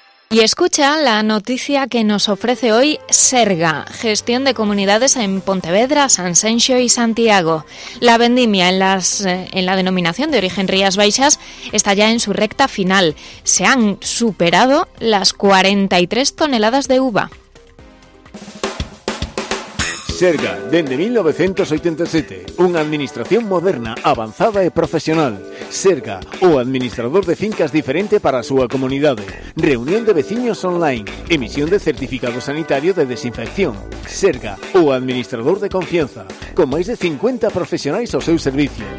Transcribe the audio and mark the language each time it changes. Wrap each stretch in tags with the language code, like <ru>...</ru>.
<es>Y escucha la noticia que nos ofrece hoy Serga, gestión de comunidades en Pontevedra, Sanxenxo y Santiago. La vendimia en la denominación de origen Rías Baixas está ya en su recta final. Se han superado las 43 toneladas de uva.</es> <gl>Serga, dende 1987, unha administración moderna, avanzada e profesional. Serga, o administrador de fincas diferente para a súa comunidade. Reunión de veciños online, emisión de certificado sanitario de desinfección. Serga, o administrador de confianza, con máis de 50 profesionais ao seu servicio.</gl>